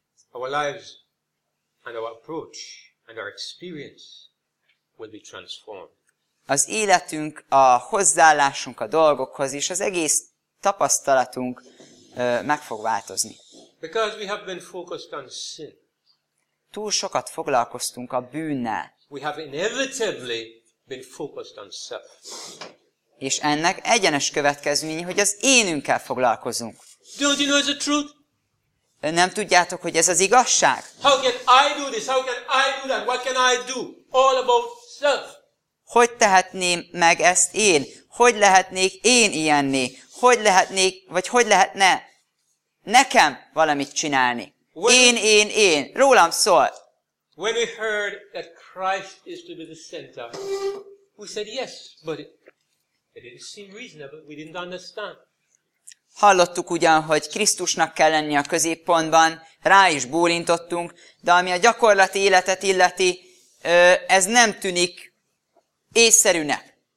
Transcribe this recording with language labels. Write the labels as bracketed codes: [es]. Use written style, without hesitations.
[en] Our lives and our approach and our experience will be transformed. [hu] Az életünk, a hozzáállásunk a dolgokhoz és az egész tapasztalatunk meg fog változni. [en] Because we have been focused on sin. [hu] Túl sokat foglalkoztunk a bűnnel. [en] We have inevitably been focused on self. [hu] És ennek egyenes következménye, hogy az énünkkel foglalkozunk. [en] Don't you know it's the truth? [hu] Nem tudjátok, hogy ez az igazság? [en] How can I do this? How can I do that? What can I do? All about self. [hu] Hogy tehetném meg ezt én? Hogy lehetnék én ilyenni? Hogy lehetne nekem valamit csinálni? Én, rólam szól. [en] When we heard that Christ is to be the center, we said yes, but it didn't seem reasonable, we didn't understand. [hu] Hallottuk ugyan, hogy Krisztusnak kell lenni a középpontban, rá is bólintottunk, de ami a gyakorlati életet illeti, ez nem tűnik észszerűnek.